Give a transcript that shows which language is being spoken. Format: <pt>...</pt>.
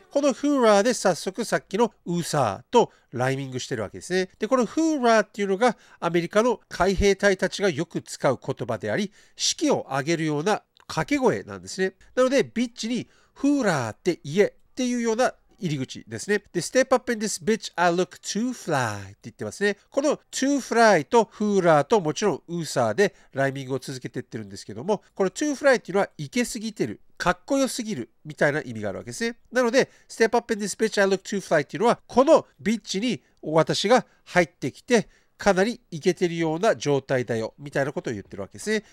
<ja>この hoorah で早速さっきのウーサーとライミングしてるわけですね。で、この hoorah っていうのがアメリカの海兵隊たちがよく使う言葉であり、士気を上げるような掛け声なんですね。なのでビッチに hoorah って言えっていうような入り口ですね。で、</ja> <en>step up in this bitch, I look too fly</en> <ja>って言ってますね。この too fly と hoorah ともちろんウーサーでライミングを続けていってるんですけども、この too fly っていうのは行けすぎてる、かっこよすぎるみたいな意味があるわけですね。なので</ja> <en>step up in this bitch, I look too fly</en> <ja>っていうのはこのビッチに私が入ってきてかなりイケてるような状態だよみたいなことを言ってるわけですね。</ja>